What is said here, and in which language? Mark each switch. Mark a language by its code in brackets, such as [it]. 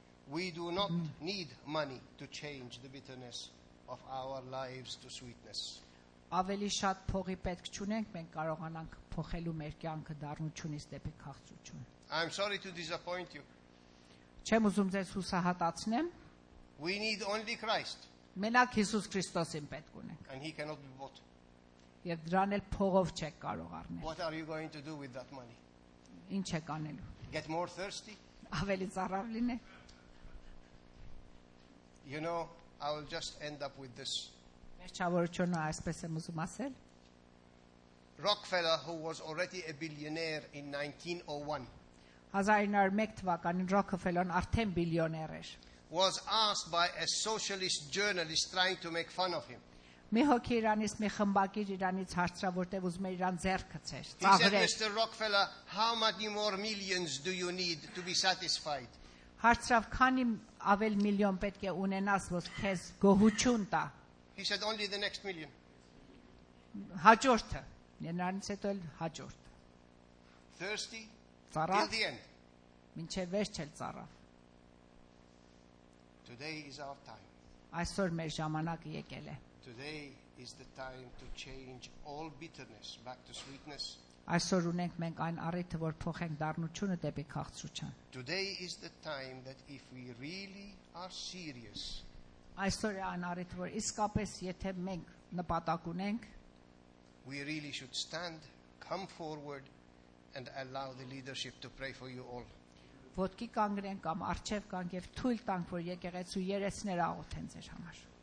[en] We do not need money to change the bitterness of our lives to sweetness. [hy] Ավելի շատ փողի պետք չունենք, մենք կարողանանք փոխելու մեր կյանքը դառնությունից դեպի քաղցրություն։ [en] I'm sorry to disappoint you. [hy] Չեմ ուզում ձեզ հուսահատացնեմ։ [en] We need only Christ. [hy] Մենակ Հիսուս Քրիստոսին պետք ունենք։ [en] And he cannot be bought. [hy] Եվ դրան էլ փողով չեք կարող առնել։ [en] What are you going to do with that money? [hy] Ինչ եք անելու։ [en] Get more thirsty? [hy] Ավելի ծառավ լինել։ [en] You know, I will just end up with this. [hy] Վերջավորությունը այսպես եմ ուզում ասել. [en] Rockefeller, who was already a billionaire in 1901. [hy] 1901 թվականին Rockefeller-ն արդեն բիլիոներ էր. [en] Was asked by a socialist journalist trying to make fun of him. [hy] Մի հոգի իրանից, մի խմբակիր իրանից հարցրա, որտեղ ուզում էր իրան ձեռքը ցեր, ծաղրել. [en] He said, Mr. Rockefeller, how many more millions do you need to be satisfied? [hy] Հարցրավ, քանի ավել միլիոն պետք է ունենաս, որ քեզ գոհություն տա. [en] He said, only the next million. [hy] Հաջորդը. Նրանից հետո էլ հաջորդը. [en] Thirsty? [hy] Ծառավ. [en] Till the end. [hy] Մինչև վերջ էլ ծառավ. [en] Today is our time. [hy] Այսօր մեր ժամանակը եկել է. [en] Today is the time to change all bitterness back to sweetness. [hy] Այսօր ունենք մենք այն առիթը, որ փոխենք դառնությունը դեպի քաղցրություն. [en] Today is the time that if we really are serious. [hy] Այսօր է այն առիթը, որ իսկապես եթե մենք նպատակ ունենք, [en] we really should stand, come forward and allow the leadership to pray for you all. [hy] Ոտքի կանգնենք կամ առջև կանգ եւ թույլ տանք, որ եկեղեցու երեսները աղոթեն ձեր համար.